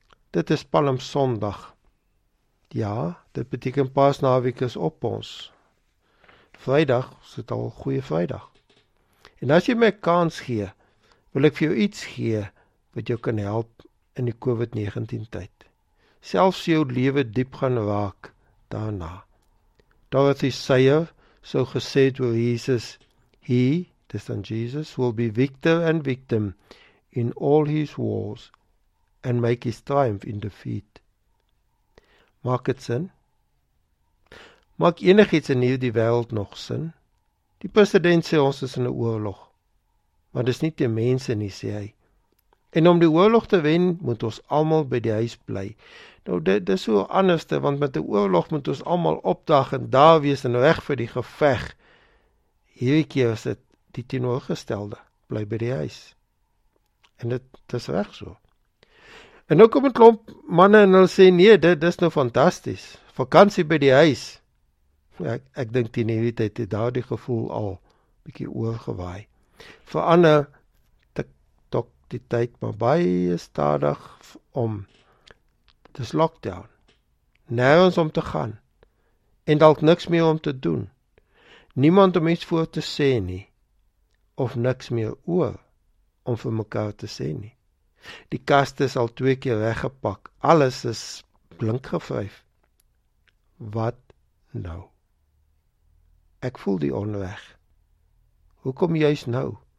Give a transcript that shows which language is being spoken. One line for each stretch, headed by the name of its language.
Afrikaans: Dit is Palm Sondag. Ja, dit beteken Paasnaweek is op ons. Vrydag, is dit al Goeie Vrydag. En as jy my kans gee, wil ek vir jou iets gee wat jou kan help in die COVID-19 tyd. Selfs jou lewe diep gaan raak daarna. Dorothy Sayer sou gesê het oor Jesus: "He, dis dan
English: Jesus, will be victor and victim in all his wars and make his triumph in defeat."
Afrikaans: Maak het sin? Maak enigiets in hierdie wêreld nog sin? Die president sê ons is in 'n oorlog, maar dis nie teen mense nie, sê hy. En om die oorlog te wen, moet ons almal by die huis bly. Nou, dit is so anderste, want met die oorlog moet ons almal opdag en daar wees en reg vir die geveg. Hierdie keer is dit die teenoorgestelde, bly by die huis. En dit is reg so. En nou kom 'n klomp manne en hulle sê: "Nee, dit is nou fantasties. Vakantie by die huis." Ek dink die nuwe tyd het daar die gevoel al bietjie oorgewaai. Vir ander die tyd maar baie stadig om. Dis lockdown. Nergens om te gaan. En dalk niks meer om te doen. Niemand om iets voor te sê nie. Of niks meer oor om vir mekaar te sê nie. Die kaste is al 2 keer weggepak. Alles is blink gevryf. Wat nou? Ek voel die onreg. Hoekom juist nou?